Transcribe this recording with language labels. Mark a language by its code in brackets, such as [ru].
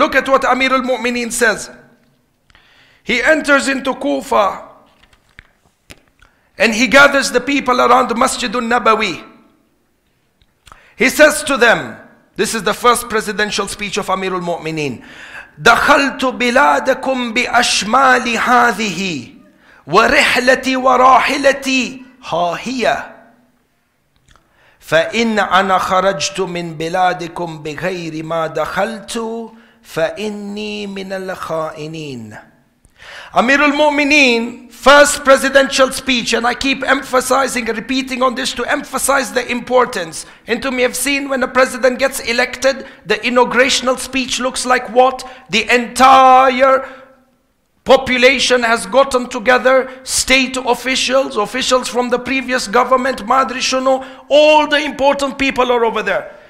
[en] Look at what Amir al-Mu'mineen says. He enters into Kufa and he gathers the people around Masjid al-Nabawi. He says to them, this is the first presidential speech of Amir al-Mu'mineen. [ar] دخلت بلادكم بأشمال هذه ورحلتي وراحلتي ها هي فإن أنا خرجت من بلادكم بغير ما دخلت فإني من الخائنين. [en] Amir al-Mu'mineen, first presidential speech, and I keep emphasizing and repeating on this to emphasize the importance. And to me, I've seen when a president gets elected, the inaugurational speech looks like what? The entire population has gotten together, state officials, officials from the previous government, Madrishuno, all the important people are over there.